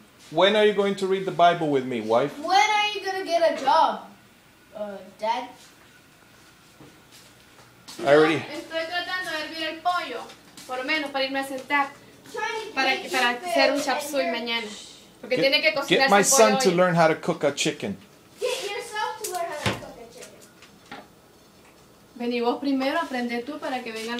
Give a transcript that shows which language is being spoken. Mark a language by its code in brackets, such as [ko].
[en] When are you going to read the Bible with me, wife? When are you going to get a job, Dad? I already... [es] Estoy tratando de hervir el pollo, por lo menos para irme a sentar, para hacer un chop suey mañana. Porque tiene que cocinarse el pollo. [en] my son to learn how to cook a chicken. Get yourself to learn how to cook a chicken. [es] Vení vos primero, aprende tú para que vengan los niños también.